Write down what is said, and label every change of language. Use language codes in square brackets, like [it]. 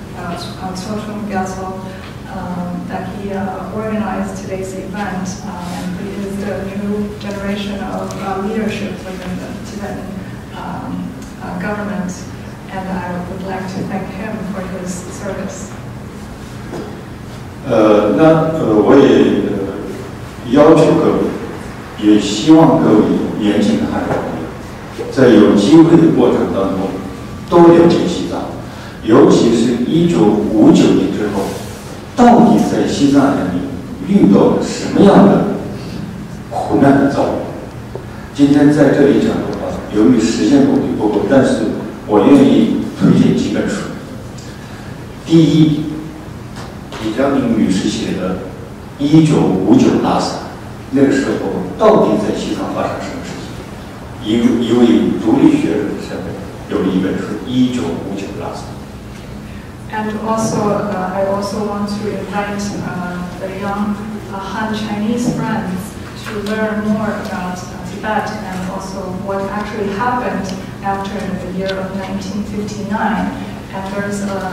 [en] Chochum Gyatso, that he organized today's event, and he is the new generation of leadership within the Tibetan government, and I would like to thank him for his service. [zh] 那我也要求各位，也希望各位年轻的汉人，在有机会的过程当中，多了解西藏，尤其是1959年之后，到底在西藏人民遇到了什么样的苦难的遭遇。今天在这里讲的话，由于时间问题不够，但是我愿意推荐几本书。第一，李嘉明女士写的《1959拉萨》，那个时候到底在西藏发生什么事情？一位独立学者的身份有一本书《1959拉萨》。 [en] And also, I also want to invite the young Han Chinese friends to learn more about Tibet and also what actually happened after the year of 1959.